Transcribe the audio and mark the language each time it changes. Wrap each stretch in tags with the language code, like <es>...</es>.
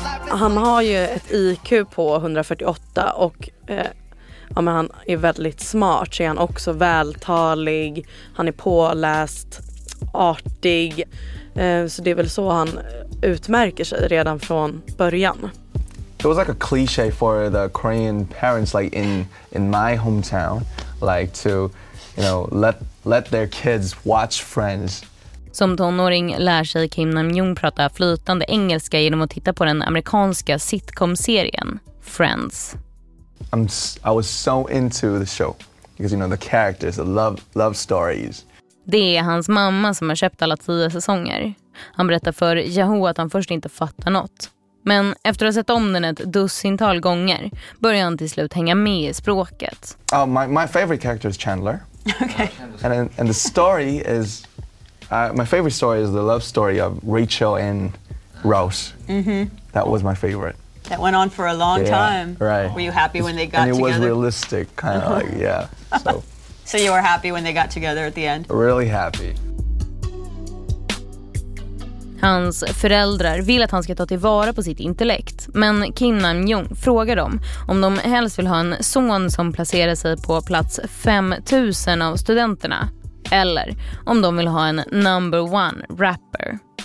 <sv>Han har ju ett IQ på 148 och ja, men han är väldigt smart, så är han också vältalig, han är påläst, artig, så det är väl så han utmärker sig redan från början.</sv> <en>It was like a cliche for the Korean parents, like in my hometown, like to, you know, let their kids watch Friends.</en> <sv>Som tonåring lär sig Kim Nam-jong prata flytande engelska genom att titta på den amerikanska sitcom-serien Friends.</sv> <en>I was so into the show because, you know, the characters, the love stories.</en> <sv>Det är hans mamma som har köpt alla 10 säsonger. Han berättar för Yahoo att han först inte fattar något. Men efter att ha sett om den ett dussintal gånger börjar han till slut hänga med i språket.</sv> <en>My favorite character is Chandler. Okay. And the story is my favorite story is the love story of Rachel and Rose. Mm-hmm. That was my favorite. That went on for a long time. Right. Were you happy when they got together? And it was realistic, kind of like, yeah. So you were happy when they got together at the end? Really happy.</en> <sv>Hans föräldrar vill att han ska ta tillvara på sitt intellekt. Men Kim Nam-jong frågar dem om de helst vill ha en son som placerar sig på plats 5000 av studenterna. Eller om de vill ha en</sv> <en>number one rapper.</en>